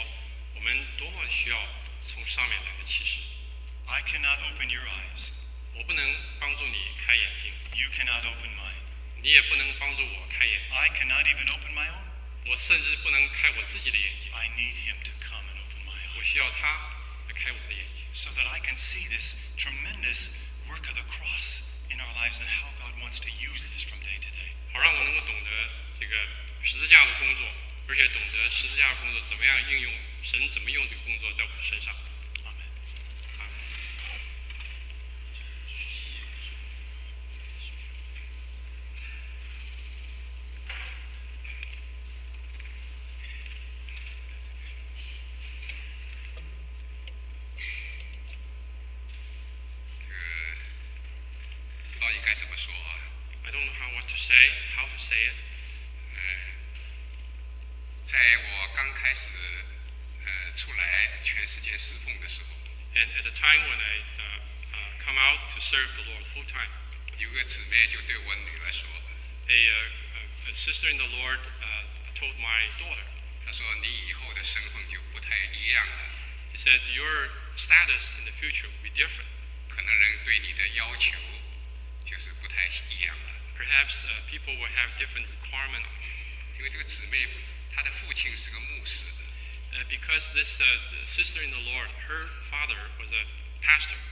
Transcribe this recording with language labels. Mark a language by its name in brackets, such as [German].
[Chinese] 我给这位小小的见证，需要跟弟兄姊妹说，我们多么需要从上面来的启示。 [English] I cannot open your eyes. [Chinese] 我不能帮助你开眼睛。 [English] You cannot open mine. [Chinese] 你也不能帮助我开眼睛。 [English] I cannot even open my own. [Chinese] 我甚至不能开我自己的眼睛。 [English] I need him to come and open my eyes. [Chinese] 我需要他。 [English] So that I can see this tremendous work of the cross in our lives and how God wants to use this from day to day. [Chinese] 好让我能够懂得这个十字架的工作，而且懂得十字架的工作怎么样应用，神怎么用这个工作在我身上。 [English] Amen. Amen. I don't know how to say it. [Chinese] 在我刚开始出来全世界侍奉的时候， [English] and at the time when I come out to serve the Lord full time, [Chinese] 有个姊妹就对我女儿说， [English] a sister in the Lord told my daughter, [Chinese] 她说你以后的身份就不太一样了。 [English] He said your status in the future will be different. [Chinese] 可能人对你的要求就是不太一样了。 [English] Perhaps people will have different requirements on you. [Chinese] 因为这个姊妹，她的父亲是个牧师。 [English] Because this sister in the Lord, her father was a pastor.